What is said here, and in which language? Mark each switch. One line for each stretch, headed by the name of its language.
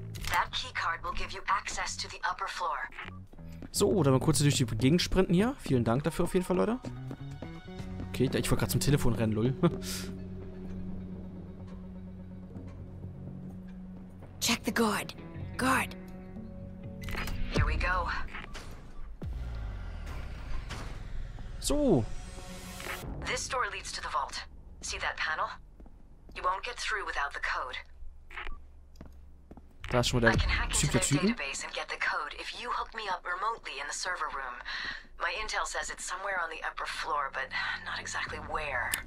English: That keycard will give you access to the upper floor.
German: So, dann mal kurz durch die Gegend sprinten hier. Vielen Dank dafür auf jeden Fall, Leute. Okay, ich wollte gerade zum Telefon rennen, lol.
English: Check the guard. Guard. Here we go.
German: So.
English: This door leads to the vault. See that panel? You won't get through without the code.
German: Da ist schon mal der Typ der Typen.
English: Database and get the code if you hook me up remotely in the server room. My intel says it's somewhere on the upper floor, but not exactly where.